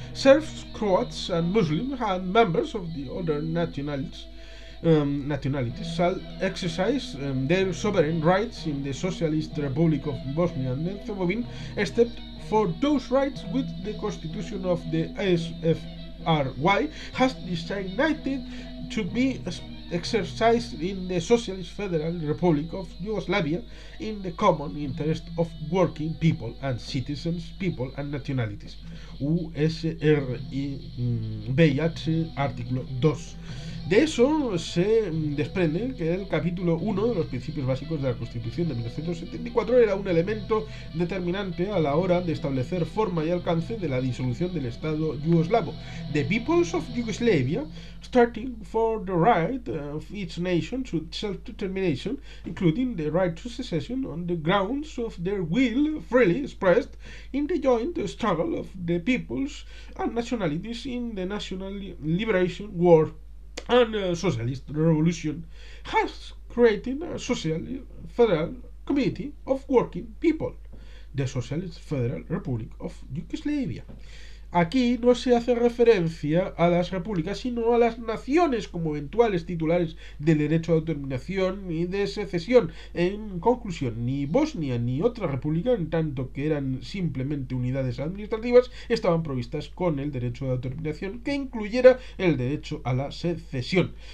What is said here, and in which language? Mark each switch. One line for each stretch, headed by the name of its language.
English: Serbs, Croats and Muslims and members of the other nationalities shall exercise their sovereign rights in the Socialist Republic of Bosnia and Herzegovina, except for those rights which the Constitution of the SFRY has designated to be exercised in the Socialist Federal Republic of Yugoslavia in the common interest of working people and citizens, people and nationalities.
Spanish: USRBIH, artículo 2. De eso se desprende que el capítulo 1 de los principios básicos de la Constitución de 1974 era un elemento determinante a la hora de establecer forma y alcance de la disolución del Estado yugoslavo.
English: The peoples of Yugoslavia, starting for the right of each nation to self-determination, including the right to secession on the grounds of their will freely expressed in the joint struggle of the peoples and nationalities in the National Liberation War and Socialist Revolution, has created a Socialist Federal Community of Working People, the Socialist Federal Republic of Yugoslavia.
Spanish: Aquí no se hace referencia a las repúblicas, sino a las naciones como eventuales titulares del derecho de autodeterminación y de secesión. En conclusión, ni Bosnia ni otra república, en tanto que eran simplemente unidades administrativas, estaban provistas con el derecho de autodeterminación que incluyera el derecho a la secesión.